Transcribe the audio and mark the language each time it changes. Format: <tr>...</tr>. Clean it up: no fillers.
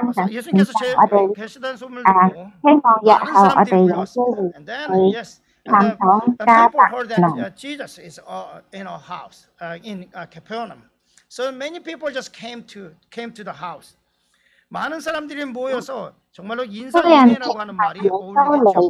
<ko>예수님께서 계시다는 소문을 듣고 많은 사람들이 모였습니다.</ko> <en>And then, yes. And then, people heard that Jesus is in a house in Capernaum. So many people just came to the house.</en> <ko>많은 사람들이 모여서 정말로 인사인회라고 하는 말이 어울리죠.</ko>